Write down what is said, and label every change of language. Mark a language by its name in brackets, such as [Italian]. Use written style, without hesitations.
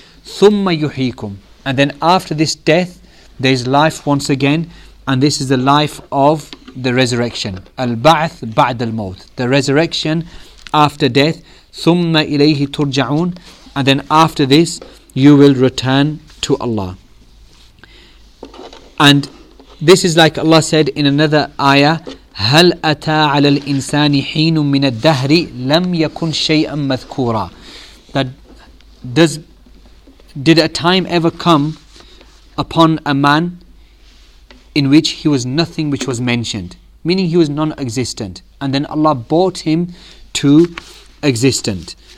[Arabic] ثُمَّ يُحِيكُمْ, [English] and then after this death, there is life once again, and this is the life of the resurrection. [Arabic] Al-ba'ath ba'd al-mawt. [English] The resurrection after death. [Arabic] ثم إليه ترجعون, [English] and then after this you will return to Allah. And this is like Allah said in another ayah, [Arabic] هل أتى على الإنسان حين من الدهر لم يكن شيئا مذكورا. [English] That did a time ever come upon a man in which he was nothing which was mentioned, meaning he was non-existent, and then Allah brought him to existence.